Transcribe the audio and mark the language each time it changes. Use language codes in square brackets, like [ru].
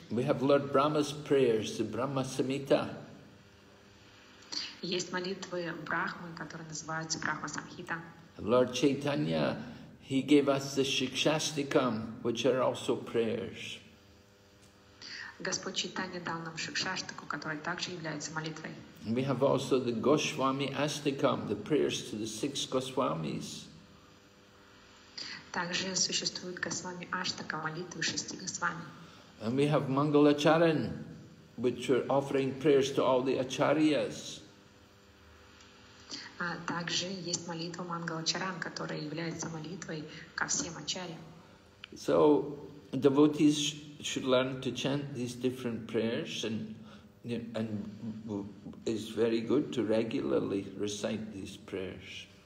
[en] We have Lord Brahma's prayers, the Brahma Samhita. [ru] Есть молитвы Брахмы, которые называются Брахма Самхита. [en] Lord Chaitanya, he gave us the Шикшастикам, which are also prayers. [ru] Господь Чайтанья дал нам Шикшаштику, которая также является молитвой. [en] We have also the Госвами Астикам, the prayers to the six Госвамис. [ru] Также существует Госвами Аштака, молитвы шести Госвами. [en] And we have Мангалачаран, which are offering prayers to all the Ачарьяс. [ru] Также есть молитва Мангалачаран, которая является молитвой ко всем Ачарьям. [en] So, devotees should learn to chant these different prayers, and it's very good to regularly recite these prayers.